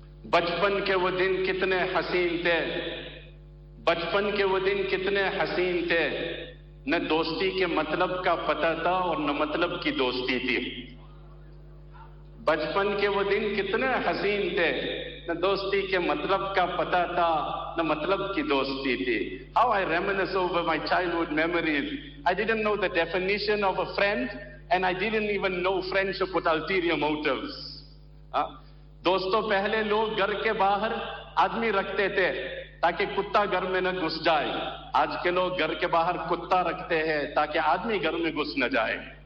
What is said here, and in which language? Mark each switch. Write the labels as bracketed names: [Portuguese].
[Urdu] بچپن کے وہ دن کتنے حسین تھے بچپن کے وہ دن کتنے حسین تھے نہ دوستی کے مطلب کا پتہ تھا اور نہ مطلب کی دوستی تھی بچپن کے وہ دن کتنے حسین تھے نہ دوستی کے مطلب کا پتہ تھا نہ مطلب کی دوستی تھی. [English] How I reminisce over my childhood memories. I didn't know the definition of a friend and I didn't even know friendship with ulterior motives. [Urdu] دوستو پہلے لوگ گھر کے باہر آدمی رکھتے تھے تاکہ کتا گھر میں نہ گھس جائے آج کے لوگ گھر کے باہر کتا رکھتے ہیں تاکہ آدمی گھر میں گھس نہ جائے.